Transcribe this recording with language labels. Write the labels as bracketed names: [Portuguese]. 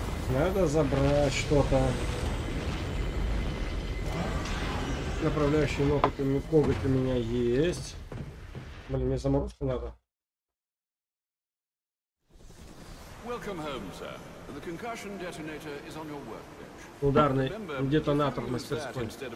[Russian] Надо забрать что-то. Направляющий коготь у меня есть. Блин, мне заморозку надо. [English] Welcome home, sir. The concussion detonator is on your workbench. [Russian] ударный детонатор в мастерской.